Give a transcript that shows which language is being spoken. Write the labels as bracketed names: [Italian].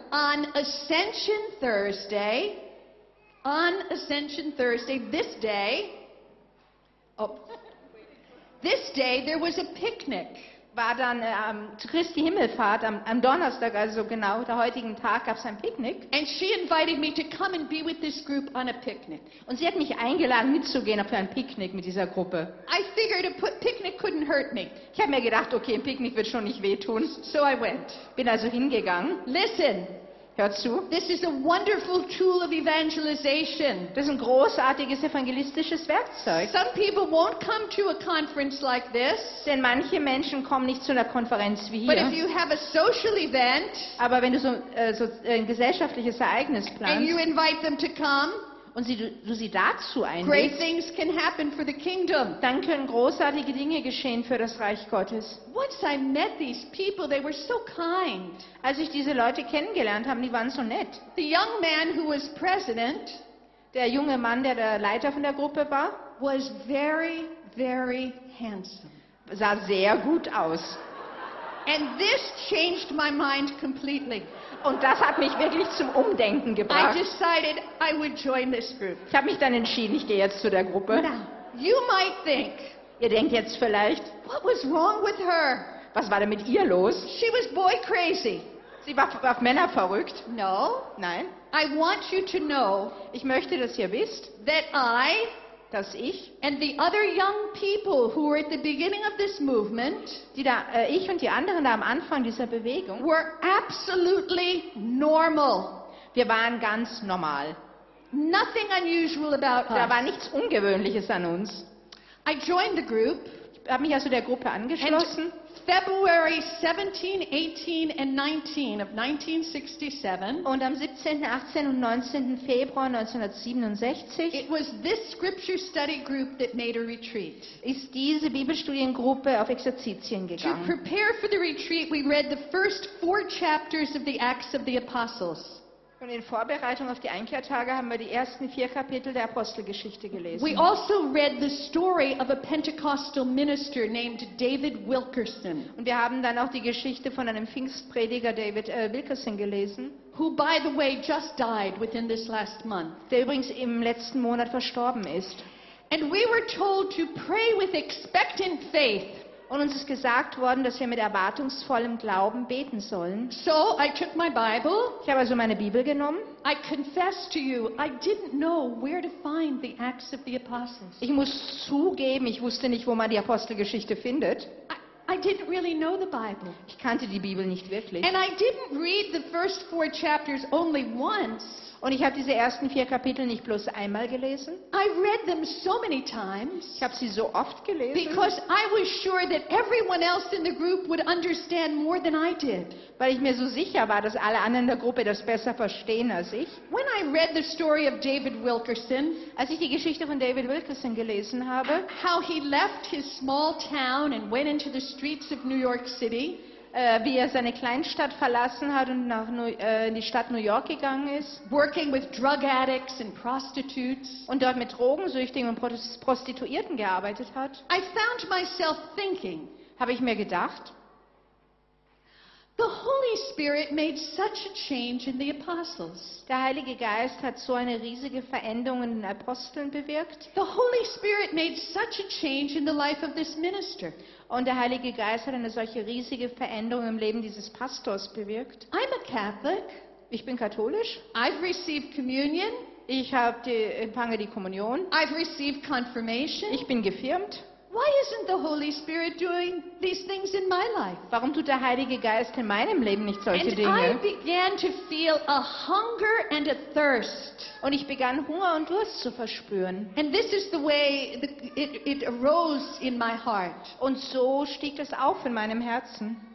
[English] on Ascension Thursday, this day there was a picnic. [German] War dann Christi Himmelfahrt am Donnerstag, also genau der heutigen Tag, gab es ein Picknick. [English] And she invited me to come and be with this group on a picnic. [German] Und sie hat mich eingeladen, mitzugehen auf ein Picknick mit dieser Gruppe. [English] I figured a picnic couldn't hurt me. [German] Ich habe mir gedacht, okay, ein Picknick wird schon nicht wehtun. [English] So I went. [German] Bin also hingegangen. [English] Listen. [German] Hör zu. [English] This is a wonderful tool of evangelization. [German] Das ist ein großartiges evangelistisches Werkzeug. [English] Some people won't come to a conference like this. [German] Denn manche Menschen kommen nicht zu einer Konferenz wie hier. [English] But if you have a social event, [German] aber wenn du so ein gesellschaftliches Ereignis planst, [English] and you invite them to come, [German] und du sie dazu einlädst, [English] great things can happen for the kingdom. [German] Dann können großartige Dinge geschehen für das Reich Gottes. [English] Once I met these people, they were so kind. [German] Als ich diese Leute kennengelernt habe, die waren so nett. [English] The young man who was president, [German] der junge Mann, der Leiter von der Gruppe war, [English] was very, very handsome. [German] Sah sehr gut aus. [English] And this changed my mind completely. [German] Und das hat mich wirklich zum Umdenken gebracht. [English] I decided I would join this group. [German] Ich habe mich dann entschieden, ich gehe jetzt zu der Gruppe. [English] Now, you might think, [German] ihr denkt jetzt vielleicht, [English] what was wrong with her? [German] Was war denn mit ihr los? [English] She was boy crazy. [German] Sie war auf Männer verrückt. [English] No. [German] Nein. [English] I want you to know, [German] ich möchte, dass ihr wisst, [English] that I, [German] dass ich, [English] and the other young people who were at the beginning of this movement, [German] die da, ich und die anderen da am Anfang dieser Bewegung, [English] were absolutely normal. [German] Wir waren ganz normal. [English] Nothing unusual about us. [German] Da war nichts Ungewöhnliches an uns. [English] I joined the group. [German] Ich habe mich also der Gruppe angeschlossen. [English] February 17, 18 and 19 of 1967. [German] Und am 17., 18 und 19. Februar 1967. [English] It was this scripture study group that made a retreat. [German] Ist diese Bibelstudiengruppe auf Exerzitien gegangen. [English] To prepare for the retreat, we read the first four chapters of the Acts of the Apostles. [German] Und in Vorbereitung auf die Einkehrtage haben wir die ersten vier Kapitel der Apostelgeschichte gelesen. [English] We also read the story of a Pentecostal minister named David Wilkerson. [German] Und wir haben dann auch die Geschichte von einem Pfingstprediger David Wilkerson gelesen. [English] Who, by the way, just died within this last month. [German] Der übrigens im letzten Monat verstorben ist. [English] And we were told to pray with expectant faith. [German] Und uns ist gesagt worden, dass wir mit erwartungsvollem Glauben beten sollen. [English] So I took my Bible. [German] Ich habe also meine Bibel genommen. [English] I confess to you, I didn't know where to find the Acts of the Apostles. [German] Ich muss zugeben, ich wusste nicht, wo man die Apostelgeschichte findet. [English] I didn't really know the Bible. [German] Ich kannte die Bibel nicht wirklich. [English] And I didn't read the first four chapters only once. [German] Und ich habe diese ersten vier Kapitel nicht bloß einmal gelesen. [English] I read them so many times. [German] Ich habe sie so oft gelesen. [English] Because I was sure that everyone else in the group would understand more than I did. [German] Weil ich mir so sicher war, dass alle anderen in der Gruppe das besser verstehen als ich. [English] When I read the story of David Wilkerson, [German] als ich die Geschichte von David Wilkerson gelesen habe, [English] how he left his small town and went into the streets of New York City, [German] wie er seine Kleinstadt verlassen hat und nach in die Stadt New York gegangen ist, [English] working with drug addicts and prostitutes, [German] und dort mit Drogensüchtigen und Prostituierten gearbeitet hat, [English] I found myself thinking, [German] habe ich mir gedacht, [English] the Holy Spirit made such a change in the apostles. [German] Der Heilige Geist hat so eine riesige Veränderung in den Aposteln bewirkt. [English] The Holy Spirit made such a change in the life of this minister. [German] Und der Heilige Geist hat eine solche riesige Veränderung im Leben dieses Pastors bewirkt. [English] I'm a Catholic. [German] Ich bin katholisch. [English] I've received communion. [German] Ich habe empfange die Kommunion. [English] I've received confirmation. [German] Ich bin gefirmt. [English] Why isn't the Holy Spirit doing these things in my life? [German] Warum tut der Heilige Geist in meinem Leben nicht solche [English] and [German] Dinge? [English] I began to feel a hunger and a thirst. [German] Und ich begann Hunger und Durst zu verspüren. [English] And this is the way it arose in my heart. [German] Und so stieg das auf in meinem Herzen.